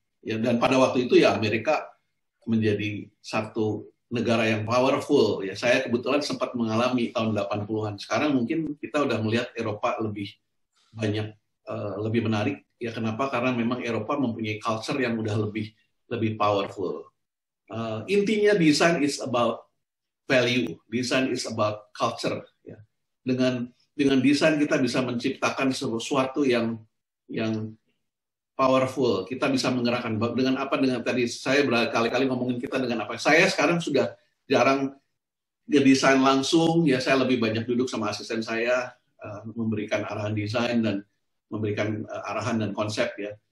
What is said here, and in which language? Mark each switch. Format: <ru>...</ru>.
<id>Ya, dan pada waktu itu ya Amerika menjadi satu negara yang powerful ya. Saya kebetulan sempat mengalami tahun 80-an. Sekarang mungkin kita sudah melihat Eropa lebih banyak lebih menarik ya. Kenapa? Karena memang Eropa mempunyai culture yang sudah lebih powerful. Intinya</id> <en>design is about value, design is about culture.</en> <id>Ya. Dengan design kita bisa menciptakan sesuatu yang powerful. Kita bisa menggerakkan dengan apa? Dengan tadi saya berkali-kali ngomongin kita dengan apa? Saya sekarang sudah jarang ngedesain langsung. Ya saya lebih banyak duduk sama asisten saya memberikan arahan desain dan memberikan arahan dan konsep ya.</id>